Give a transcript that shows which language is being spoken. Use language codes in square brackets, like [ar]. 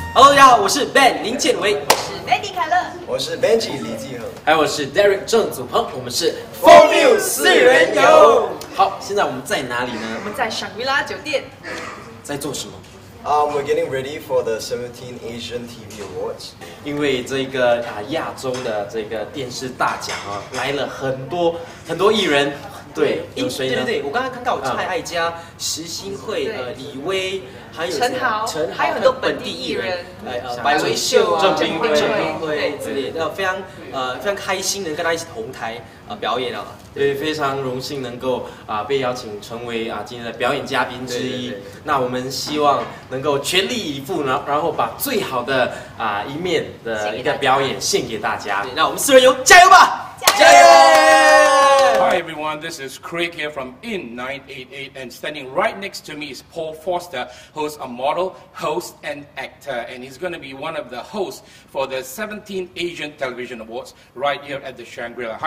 [zh] Hello, 大家好，我是 Ben 林建维，我是 Mandy 凯乐，我是 Benji 李继恒，还有我是 Derek 郑祖鹏，我们是 Formula 四人游。好，现在我们在哪里呢？我们在 Shangri-La 酒店。在做什么？ [en] We're getting ready for the 17th Asian TV Awards. [zh] 因为这个亚洲的这个电视大奖啊，来了很多很多艺人。对，有谁呢？对对对，我刚刚看到有蔡艾嘉、石新慧、李威，还有陈豪，还有很多本地艺人，白维秀、郑冰辉之类的，非常开心能跟他一起同台表演啊。对，非常荣幸能够被邀请成为今天的表演嘉宾之一。那我们希望能够全力以赴，然后把最好的一面的一个表演献给大家。那我们四人游加油吧！加油！ [en] Hi everyone, this is Craig here from IN988 and standing right next to me is Paul Foster, who's a model, host and actor, and he's going to be one of the hosts for the 17th Asian Television Awards right here at the Shangri-La.